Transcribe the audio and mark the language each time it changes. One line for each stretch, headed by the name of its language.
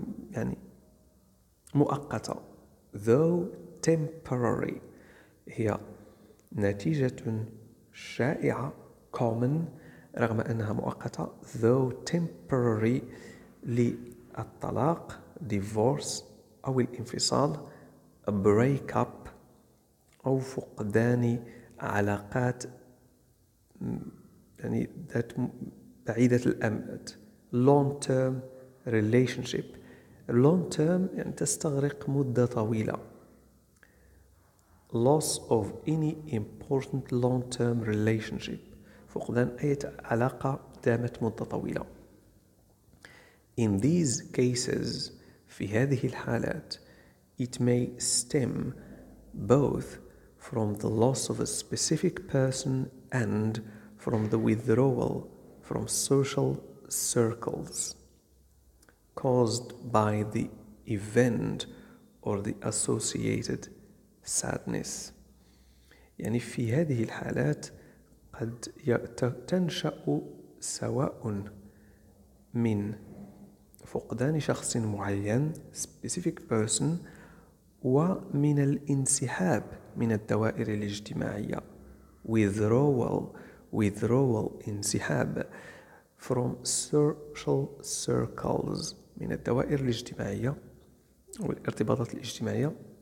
Arabic: يعني مؤقتة
English: though temporary
Arabic: هي نتيجة شائعة common رغم أنها مؤقتة though temporary للطلاق divorce أو الانفصال
English: a breakup
Arabic: أو فقدان علاقات يعني ذات بعيدة الأمد
English: long term relationship.
Arabic: Long term يعني تستغرق مدة طويلة.
English: Loss of any important long term relationship.
Arabic: فقدان أي علاقة دامت مدة طويلة.
English: In these cases,
Arabic: في هذه الحالات,
English: it may stem both from the loss of a specific person and from the withdrawal from social circles caused by the event or the associated sadness.
Arabic: يعني في هذه الحالات قد تنشأ سواء من فقدان شخص معين
English: specific person
Arabic: ومن الانسحاب من الدوائر الاجتماعية withdrawal انسحاب
English: from social circles
Arabic: من الدوائر الاجتماعية والارتباطات الاجتماعية